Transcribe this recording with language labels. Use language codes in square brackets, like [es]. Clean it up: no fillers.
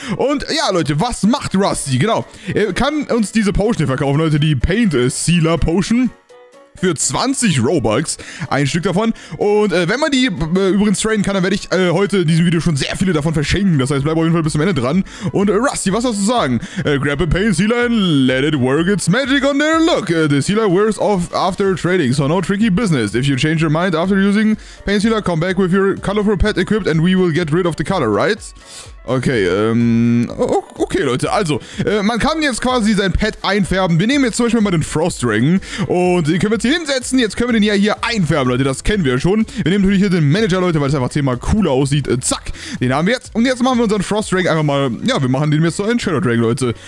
[de] Und ja, Leute, was macht Rusty? Genau, er kann uns diese Potion hier verkaufen, Leute, die Paint Sealer Potion. Für 20 Robux, ein Stück davon. Und wenn man die übrigens traden kann, dann werde ich heute in diesem Video schon sehr viele davon verschenken. Das heißt, bleib auf jeden Fall bis zum Ende dran. Und Rusty, was hast du zu sagen? [en] Grab a Paint Sealer and let it work its magic on there. Look, the sealer wears off after trading, so no tricky business. If you change your mind after using Paint Sealer, come back with your colorful pet equipped and we will get rid of the color, right? [de] Okay, okay, Leute, also, man kann jetzt quasi sein Pet einfärben. Wir nehmen jetzt zum Beispiel mal den Frost Dragon und den können wir jetzt hier hinsetzen. Jetzt können wir den ja hier einfärben, Leute, das kennen wir schon. Wir nehmen natürlich hier den Manager, Leute, weil es einfach zehnmal cooler aussieht. Zack, den haben wir jetzt. Und jetzt machen wir unseren Frost Dragon einfach mal, ja, wir machen den jetzt so einen Shadow Dragon, Leute.